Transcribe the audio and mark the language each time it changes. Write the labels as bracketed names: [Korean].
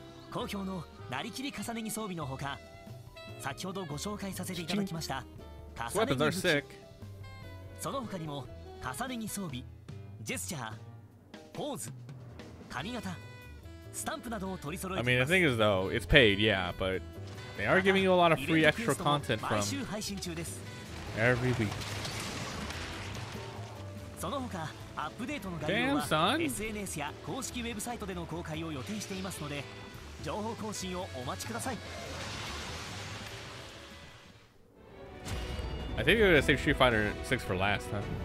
[Japanese] 好評のなりきり重ね着装備のほか、先ほどご紹介させていただきました重ね着武器、その他にも重ね着装備、ジェスチャー、ポーズ、髪型、スタンプなどを取り揃えています [English] I mean, the thing is though, it's paid, yeah, but they are giving you a lot of free extra content from [Japanese] 毎週配信中です。 [English] Every week. [Japanese] その他、アップデートの概要は SNS や公式ウェブサイトでの公開を予定していますので、情報更新をお待ちください。 [English] I think you're gonna save Street Fighter 6 for last, huh?